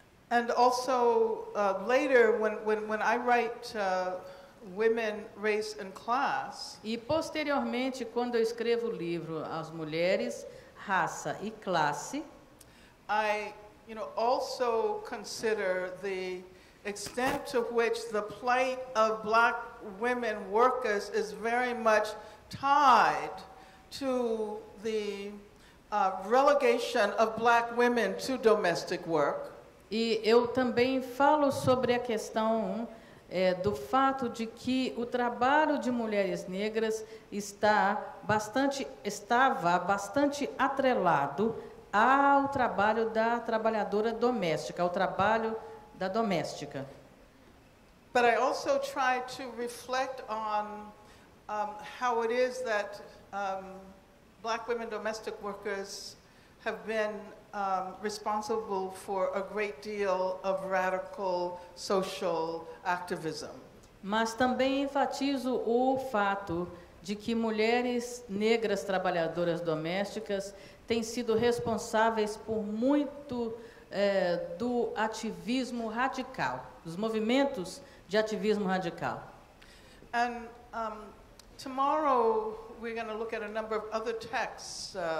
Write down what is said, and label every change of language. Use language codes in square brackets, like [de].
[en] And also later when I write Women, Race and Class. [pt] E posteriormente, quando eu escrevo o livro As Mulheres, Raça e Classe, [en] I, you know, also consider the extent to which the plight of black women workers is very much tied to the relegation of black women to domestic work. [pt] E eu também falo sobre a questão do fato de que o trabalho de mulheres negras estava bastante atrelado ao trabalho da trabalhadora doméstica, ao trabalho da doméstica. [en] But I also try to reflect on how it is that black women domestic workers have been responsible for a great deal of radical social activism. [pt] Mas também enfatizo o fato de que mulheres negras trabalhadoras domésticas têm sido responsáveis por muito do ativismo radical, dos movimentos de ativismo radical. [en] And tomorrow we're going to look at a number of other texts